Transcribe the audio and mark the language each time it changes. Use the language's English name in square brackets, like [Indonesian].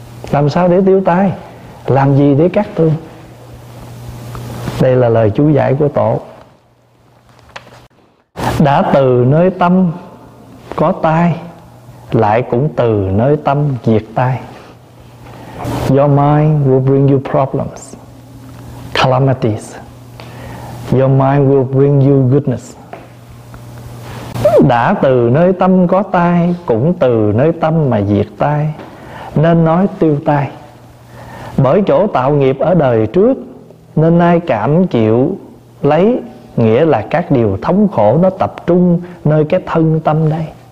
[Vietnamese] Làm sao để tiêu tai? Làm gì để cát tường? Đây là lời chú giải của tổ. Đã từ nơi tâm có tai, lại cũng từ nơi tâm diệt tai. [English] Your mind will bring you problems, calamities. Your mind will bring you goodness. [Vietnamese] Đã từ nơi tâm có tai, cũng từ nơi tâm mà diệt tai, nên nói tiêu tai. Bởi chỗ tạo nghiệp ở đời trước, nên ai cảm chịu lấy, nghĩa là các điều thống khổ nó tập trung nơi cái thân tâm đây.